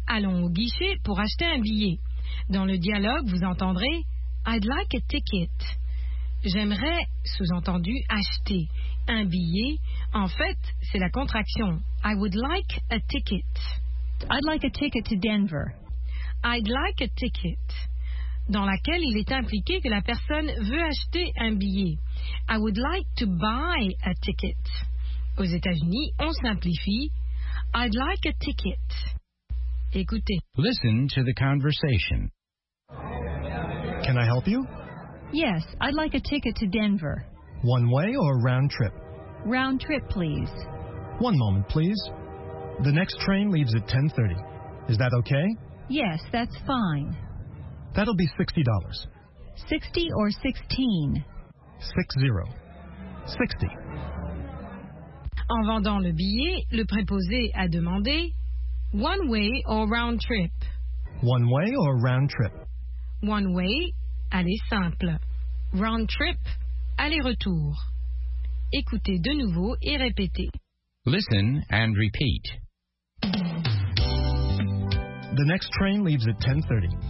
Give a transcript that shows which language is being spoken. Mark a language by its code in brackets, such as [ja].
[fr] Allons au guichet pour acheter un billet. Dans le dialogue, vous entendrez [en] I'd like a ticket. [fr] J'aimerais, sous-entendu, acheter un billet. En fait, c'est la contraction. [en] I would like a ticket. I'd like a ticket to Denver. I'd like a ticket. [fr] Dans laquelle il est impliqué que la personne veut acheter un billet. [en] I would like to buy a ticket. [fr] Aux États-Unis, on simplifie. [en] I'd like a ticket. [fr] Écoutez. [en] Listen to the conversation. Can I help you? Yes, I'd like a ticket to Denver. One way or round trip? Round trip, please. One moment, please. The next train leaves at 10:30. Is that okay? Yes, that's fine. That'll be $60. 60 or 16? 60. 60. [fr] En vendant le billet, le préposé a demandé [en] One way or round trip? One way or round trip? One way, [fr] aller simple. [en] Round trip, [fr] Aller-retour. Écoutez de nouveau et répétez. [en] Listen and repeat. The next train leaves at 10:30.